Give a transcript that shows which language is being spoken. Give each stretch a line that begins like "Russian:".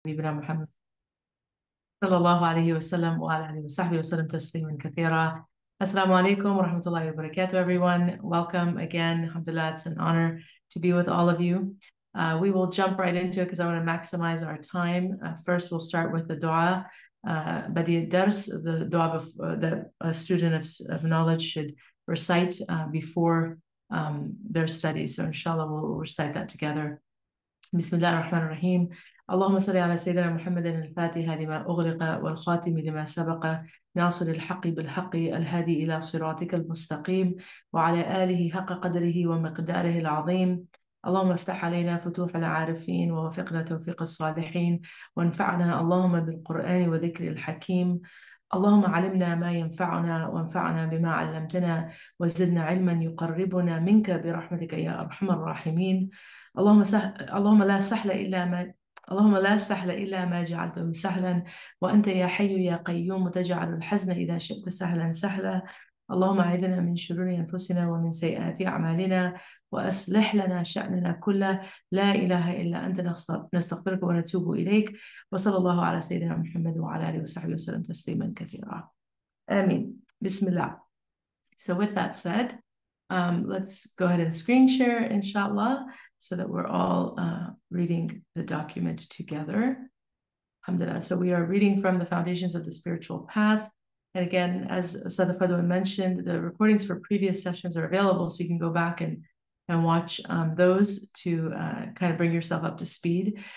Arabic: حبيبنا محمد صلى الله عليه وسلم وعلى آله وصحبه وسلم تسليما كثيرا. السلام عليكم ورحمة الله وبركاته,
English: everyone. Welcome again. Alhamdulillah, it's an honor to be with all of you. We will jump right into it because I want to maximize our time. First, we'll start with the dua. Badi Dars, the dua that a student of knowledge should recite before their studies. So inshallah, we'll recite that together.
Arabic: Bismillah ar-Rahman ar-Rahim. اللهم صل على سيدنا محمد الفاتحة لما أغلق والخاتم لما سبق ناصر الحق بالحق الهادي إلى صراطك المستقيم وعلى آله حق قدره ومقداره العظيم. اللهم افتح علينا فتوح العارفين ووفقنا توفيق الصالحين وانفعنا اللهم بالقرآن وذكر الحكيم. اللهم علمنا ما ينفعنا وانفعنا بما علمتنا وزدنا علما يقربنا منك برحمتك يا أرحم الراحمين. اللهم لا سهل إلا ما اللهم لا سهل إلا ما جعلته سهلا وأنت يا حي يا قيوم تجعل الحزن إذا شئت سهلا سهلا. اللهم أعذنا من شرور أنفسنا ومن سيئات أعمالنا وأصلح لنا شأننا كله. لا إله إلا أنت, نستغفرك ونتوب إليك. وصلى الله على سيدنا محمد وعلى آله وصحبه وسلم تسليما كثيرا. آمين. بسم الله.
English: So with that said, let's go ahead and screen share inshallah, so that we're all reading the document together. Alhamdulillah. So we are reading from the Foundations of the Spiritual Path. And again, as Ustadha Fadwa mentioned, the recordings for previous sessions are available, so you can go back and watch those to kind of bring yourself up to speed.